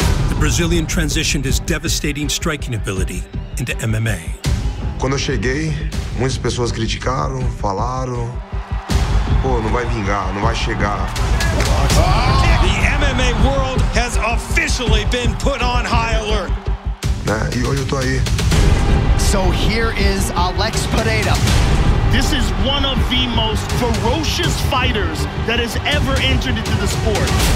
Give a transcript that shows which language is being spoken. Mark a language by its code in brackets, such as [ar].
[en] The Brazilian transitioned his devastating striking ability into MMA. [pt] Quando eu cheguei, muitas pessoas criticaram, falaram, pô, não vai vingar, não vai chegar. [en] The MMA world has officially been put on high alert. [pt] Né? E hoje eu tô aí. [en] So here is Alex Pereira. This is one of the most ferocious fighters that has ever entered into the sport.